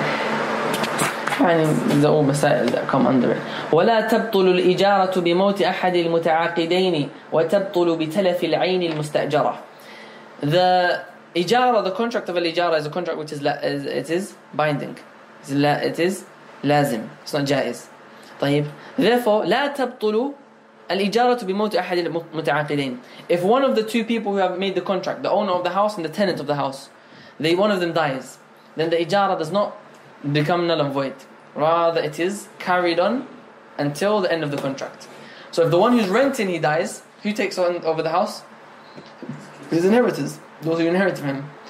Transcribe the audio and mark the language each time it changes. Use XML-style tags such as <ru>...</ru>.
<en>No. These are all مسائل that come under it.</en> <ar>ولا تبطل الإجارة بموت أحد المتعاقدين وتبطل بتلف العين المستأجرة.</ar> <en>The Ijara, the contract of al-ijara is a contract which is binding. It is lazim. It's not jaiz. طيب.</en> <ar>Therefore, لا تبطل الإجارة بموت أحد المتعاقدين.</ar> <en>If one of the two people who have made the contract, the owner of the house and the tenant of the house, one of them dies, then the ijara does not become null and void. Rather, it is carried on until the end of the contract. So if the one who's renting, he dies, who takes on over the house? His inheritors. Those who inherit from him.</en>